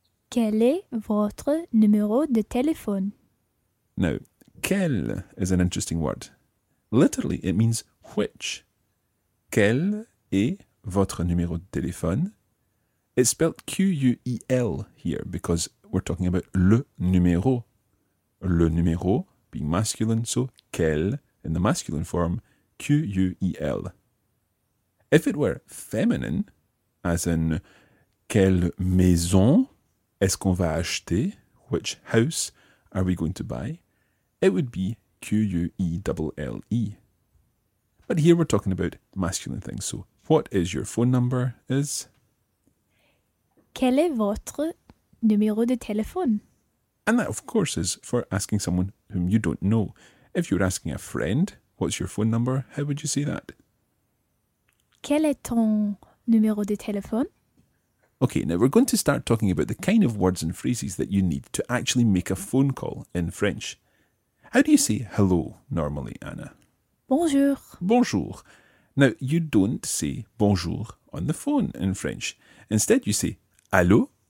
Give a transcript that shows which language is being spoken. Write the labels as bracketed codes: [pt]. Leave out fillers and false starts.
[fr] Quel est votre numéro de téléphone? [en] Now, quel is an interesting word. Literally, it means which. [fr] Quel est votre numéro de téléphone? [en] It's spelled Q-U-E-L here because we're talking about le numéro. Le numéro being masculine, so quel in the masculine form, Q-U-E-L. If it were feminine, as in [fr] quelle maison est-ce qu'on va acheter? [en] Which house are we going to buy? It would be Q-U-E-L-L-E. But here we're talking about masculine things, so what is your phone number is? [fr] Quel est votre numéro de téléphone? [en] And that, of course, is for asking someone whom you don't know. If you were asking a friend, what's your phone number, how would you say that? [fr] Quel est ton numéro de téléphone? [en] Okay, now we're going to start talking about the kind of words and phrases that you need to actually make a phone call in French. How do you say hello normally, Anna? [fr] Bonjour. Bonjour. [en] Now, you don't say bonjour on the phone in French. Instead, you say allô.